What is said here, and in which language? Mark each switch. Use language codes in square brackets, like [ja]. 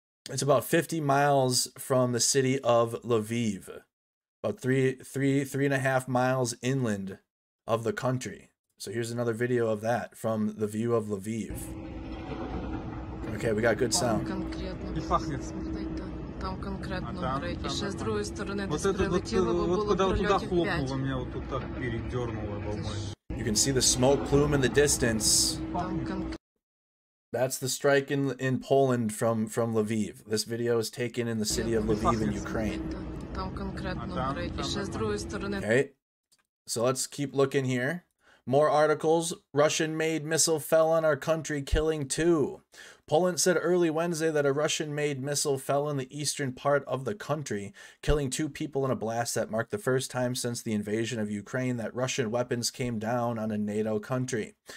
[en] It's about 50 miles from the city of Lviv. About three and a half miles inland of the country. So here's another video of that from the view of Lviv. Okay, we got good sound. [uk] Там конкретно, і ще з другої сторони десь прилетіло, бо було прильотів 5. Ось мене от тут так передернуло, бо мені. [en] You can see the smoke plume in the distance. That's the strike in Poland from Lviv. This video is taken in the city of Lviv in Ukraine. [uk] Там конкретно, і ще з другої сторони. [en] Okay. So let's keep looking here. More articles. Russian-made missile fell on our country, killing two. Poland said early Wednesday that a Russian-made missile fell in the eastern part of the country, killing two people in a blast that marked the first time since the invasion of Ukraine that Russian weapons came down on a NATO country.